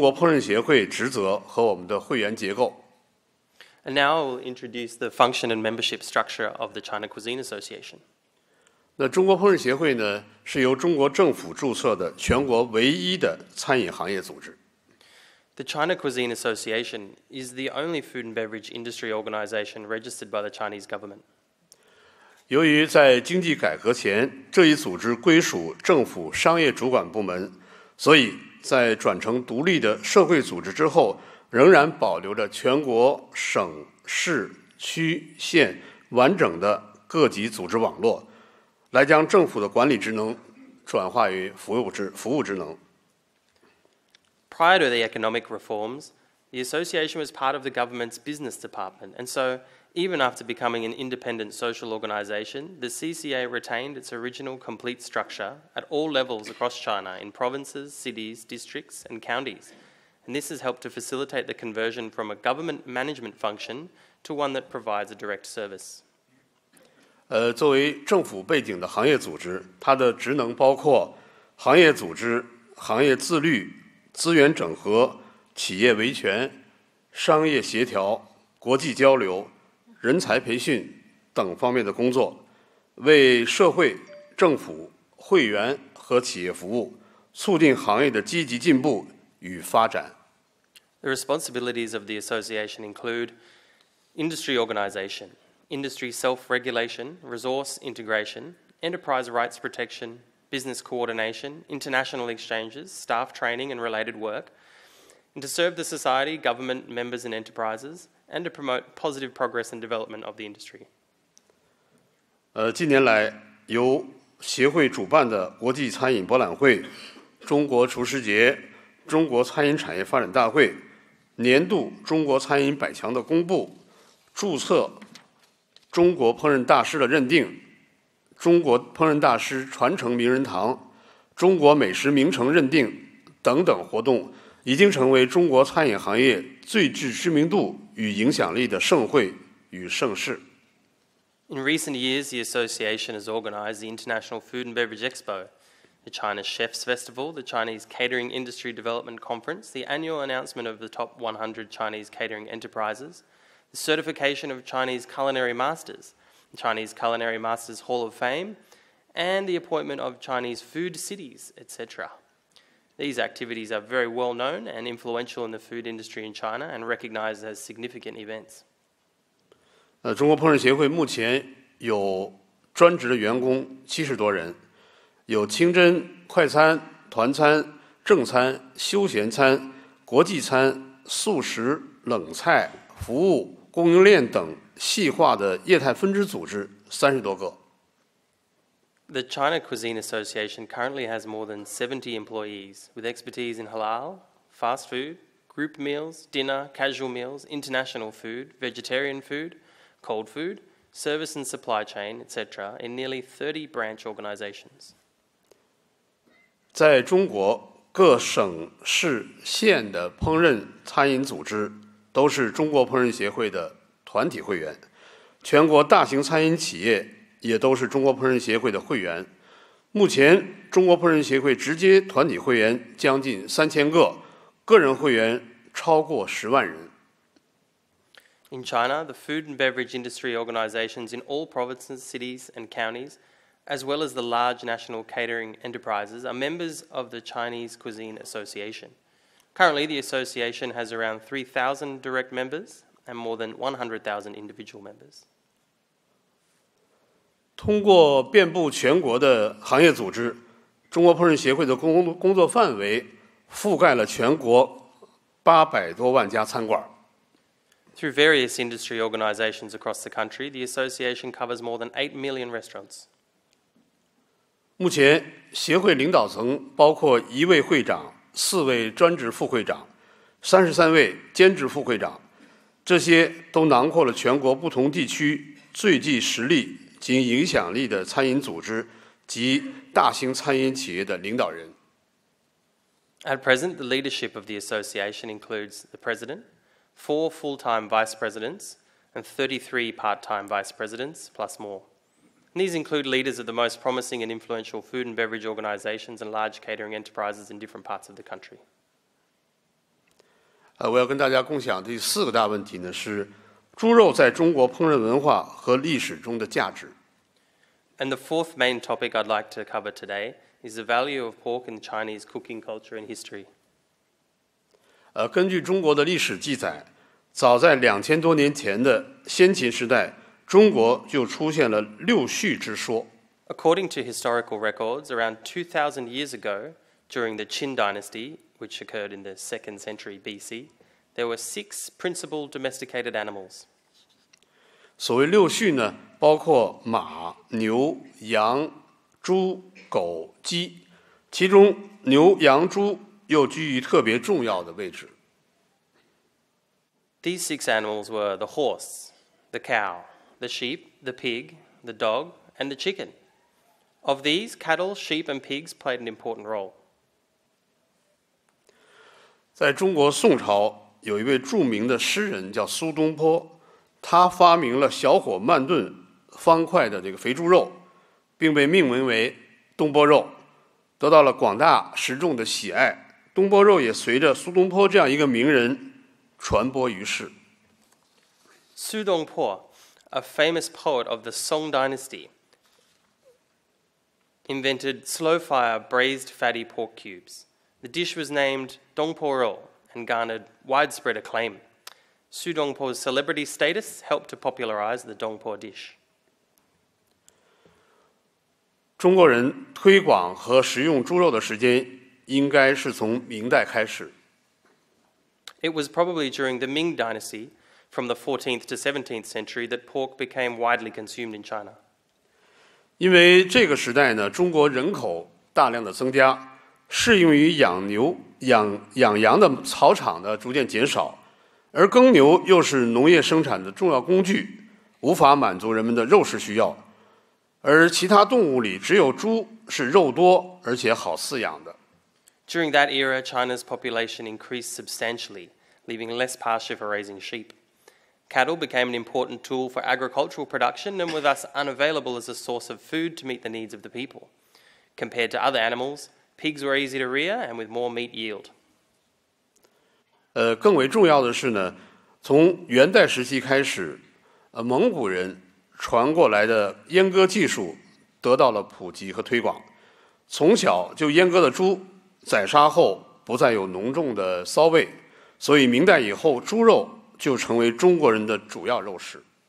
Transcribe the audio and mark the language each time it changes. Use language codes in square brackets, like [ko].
[zh] 第三个大的问题呢，是中国烹饪协会职责和我们的会员结构。 [en] And now I will introduce the function and membership structure of the China Cuisine Association. [zh] 那中国烹饪协会呢，是由中国政府注册的全国唯一的餐饮行业组织。 [en] The China Cuisine Association is the only food and beverage industry organization registered by the Chinese government. [zh] 由于在经济改革前，这一组织归属政府商业主管部门，所以在转成独立的社会组织之后，仍然保留着全国省市区县完整的各级组织网络，来将政府的管理职能转化于服务职能。 [en] Prior to the economic reforms, the association was part of the government's business department, and so even after becoming an independent social organization, the CCA retained its original complete structure at all levels across China in provinces, cities, districts, and counties. And this has helped to facilitate the conversion from a government management function to one that provides a direct service. [zh] 作为政府背景的行业组织，它的职能包括行业组织、行业自律、资源整合、企业维权、商业协调、国际交流、人才培训等方面的工作，为社会、政府、会员和企业服务，促进行业的积极进步与发展。 [en] The responsibilities of the association include industry organization, industry self-regulation, resource integration, enterprise rights protection, business coordination, international exchanges, staff training and related work, and to serve the society, government, members and enterprises,and to promote positive progress and development of the industry. [zh] 近年来由协会主办的国际餐饮博览会、中国厨师节、中国餐饮产业发展大会、年度中国餐饮百强的公布、注册中国烹饪大师的认定、中国烹饪大师传承名人堂、中国美食名城认定等等活动，已经成为中国餐饮行业最具知名度与影响力的盛会与盛事。 [en] In recent years, the association has organized the International Food and Beverage Expo, the China Chefs Festival, the Chinese Catering Industry Development Conference, the annual announcement of the top 100 Chinese catering enterprises, the certification of Chinese Culinary Masters, the Chinese Culinary Masters Hall of Fame, and the appointment of Chinese food cities, etc. These activities are very well known and influential in the food industry in China and recognized as significant events. [zh] 中国烹饪协会目前有专职的员工70多人，有清真、快餐、团餐、正餐、休闲餐、国际餐、素食、冷菜、服务、供应链等细化的业态分支组织30多个。 [en] The China Cuisine Association currently has more than 70 employees with expertise in halal, fast food, group meals, dinner, casual meals, international food, vegetarian food, cold food, service and supply chain, etc. in nearly 30 branch organizations. [zh] 在中国各省市县的烹饪餐饮组织都是中国烹饪协会的团体会员，全国大型餐饮企业也都是中国烹饪协会的会员。目前中国烹饪协会直接团体会员将近3000个，个人会员超过10万人。 [en] In China, the food and beverage industry organizations in all provinces, cities, and counties, as well as the large national catering enterprises, are members of the Chinese Cuisine Association. Currently, the association has around 3,000 direct members and more than 100,000 individual members. [zh] 通过遍布全国的行业组织，中国烹饪协会的工作范围覆盖了全国800多万家餐馆。 [en] Through various industry organizations across the country, the association covers more than 8 million restaurants. [zh] 目前，协会领导层包括1位会长、4位专职副会长、33位兼职副会长，这些都囊括了全国不同地区最具实力。经影响力的餐饮组织及大型餐饮企业的领导人。 [en] At present, the leadership of the association includes the president, 4 full-time vice presidents, and 33 part-time vice presidents, plus more. And these include leaders of the most promising and influential food and beverage organizations and large catering enterprises in different parts of the country. [zh] 我要跟大家共享第四个大问题呢，是猪肉在中国烹饪文化和历史中的价值。 [en] And the fourth main topic I'd like to cover today is the value of pork in Chinese cooking culture and history. [zh] 根据中国的历史记载，早在2000多年前的先秦时代，中国就出现了六畜之说。 [en] According to historical records, around 2,000 years ago, during the Qin Dynasty, which occurred in the 2nd century BC,there were 6 principal domesticated animals. [zh] 所谓六畜呢，包括马、牛、羊、猪、狗、鸡，其中牛、羊、猪又居于特别重要的位置。 [en] These six animals were the horse, the cow, the sheep, the pig, the dog, and the chicken. Of these, cattle, sheep, and pigs played an important role. [zh] 在中国宋朝，有一位著名的诗人叫苏东坡，他发明了小火慢炖方块的这个肥猪肉，并被命名为东坡肉，得到了广大食众的喜爱。东坡肉也随着苏东坡这样一个名人传播于世。 [en] 苏东坡， a famous poet of the Song Dynasty, invented slow fire braised fatty pork cubes. The dish was named 东坡肉 and garnered widespread acclaim. Su Dongpo's celebrity status helped to popularize the Dongpo dish. [zh] 中国人推广和食用猪肉的时间应该是从明代开始。 [en] It was probably during the Ming Dynasty, from the 14th to 17th century, that pork became widely consumed in China. [zh] 因为这个时代呢，中国人口大量的增加，适用于养牛、养羊的草场的逐渐减少，而耕牛又是农业生产的重要工具，无法满足人们的肉食需要，而其他动物里只有猪是肉多而且好饲养的。 [en] During that era, China's population increased substantially, leaving less pasture for raising sheep. Cattle became an important tool for agricultural production and were thus unavailable as a source of food to meet the needs of the people. Compared to other animals, pigs were easy to rear and with more meat yield. [zh] 更为重要的是呢，从元代时期开始，蒙古人传过来的阉割技术得到了普及和推广。从小就阉割的猪宰杀后不再有浓重的骚味，所以明代以后猪肉就成为中国人的主要肉食。